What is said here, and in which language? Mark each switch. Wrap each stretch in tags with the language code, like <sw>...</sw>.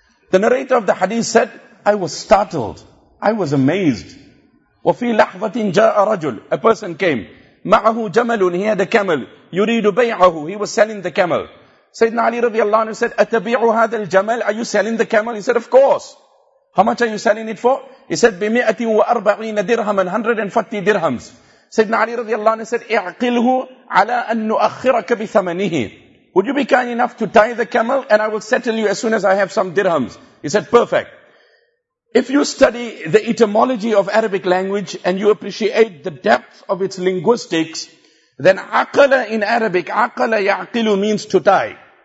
<en>The narrator of the hadith said, I was startled. I was amazed.</en> <ar>وَفِي لَحْظَةٍ جَاءَ رَجُلٌ.</ar> <en>A person came.</en> <ar>مَعَهُ جَمَلٌ.</ar> <en>He had a camel.</en> <ar>يُرِيدُ بَيْعَهُ.</ar> <en>He was selling the camel. Sayyidina Ali radiallahu anhu said,</en> <ar>أَتَبِيعُ هَذَا الْجَمَلِ.</ar> <en>Are you selling the camel? He said, of course. How much are you selling it for? He said,</en> <ar>بِمِئَةٍ وَأَرْبَعِينَ دِرْهَمًا.</ar> <en>140 dirhams. Sayyidina Ali radiallahu anhu said,</en> <ar>اِعْقِلْهُ عَلَى أَن نُؤَخِّرَكَ بِثَمَنِهِ.</ar> <en>Would you be kind enough to tie the camel and I will settle you as soon as I have some dirhams? He said, perfect. If you study the etymology of Arabic language and you appreciate the depth of its linguistics, then aqala in Arabic, aqala ya'qilu means to tie.</en>